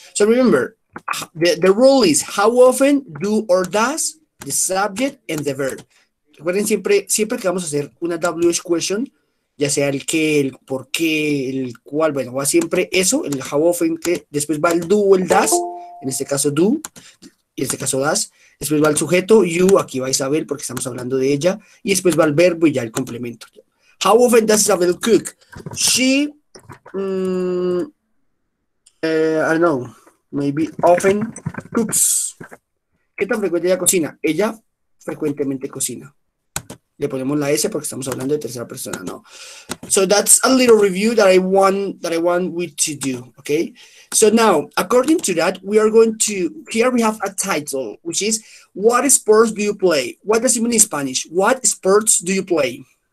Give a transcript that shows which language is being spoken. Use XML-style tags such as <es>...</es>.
<en>So remember, the rule is how often, do or does, the subject and the verb.</en> <es>Recuerden siempre, siempre que vamos a hacer una WH question, ya sea el qué, el por qué, el cuál, bueno, va siempre eso, el how often, que después va el do o el does, en este caso do, y en este caso does. Después va el sujeto, you, aquí va Isabel porque estamos hablando de ella. Y después va el verbo y ya el complemento.</es> <en>How often does Isabel cook? She, I don't know, maybe often cooks.</en> <es>¿Qué tan frecuente ella cocina? Ella frecuentemente cocina. Le ponemos la S porque estamos hablando de tercera persona, ¿no?</es> <en>So that's a little review that I want we to do, okay? So now, according to that, we are going to, here we have a title, which is, what sports do you play? What does it mean in Spanish? What sports do you play?</en>